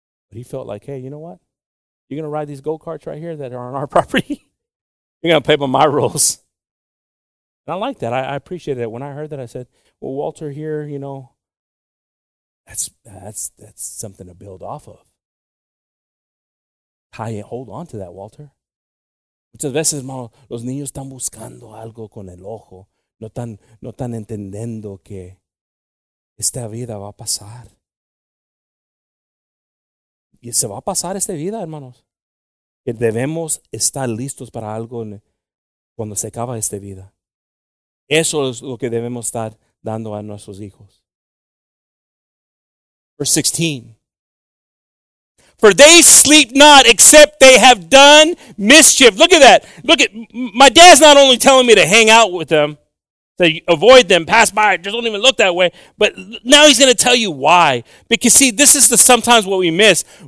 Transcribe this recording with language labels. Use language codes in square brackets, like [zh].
[en] But he felt like, hey, you know what? You're going to ride these go-karts right here that are on our property? You're going to play by my rules. And I like that. I appreciate it. When I heard that, I said, well, Walter here, you know, that's something to build off of. Hold on to that, Walter. [es] Muchas veces, hermano, los niños están buscando algo con el ojo. No tan entendiendo que esta vida va a pasar. Y se va a pasar esta vida, hermanos. Que debemos estar listos para algo cuando se acaba esta vida. Eso es lo que debemos estar dando a nuestros hijos. [en] Verse 16. For they sleep not except they have done mischief. Look at that. Look at my dad's not only telling me to hang out with them, to avoid them, pass by, just don't even look that way. But now he's going to tell you why. Because, see, this is the sometimes what we miss.